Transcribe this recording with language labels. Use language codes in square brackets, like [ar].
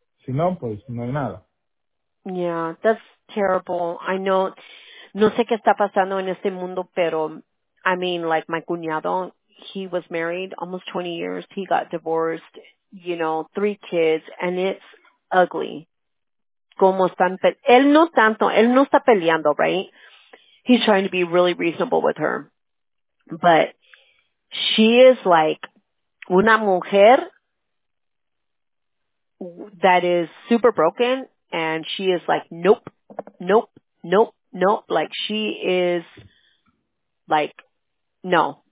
[es] Si no, pues, no hay nada. [en] Yeah, that's terrible. I know, [es] no sé qué está pasando en este mundo, pero, [en] I mean, like, my cuñado... He was married almost 20 years. He got divorced, you know, 3 kids, and it's ugly. [es] Como están, él no tanto, él no está peleando, right? [en] He's trying to be really reasonable with her. But she is like [es] una mujer [en] that is super broken, and she is like, nope, nope, nope, nope. Like, she is like, no.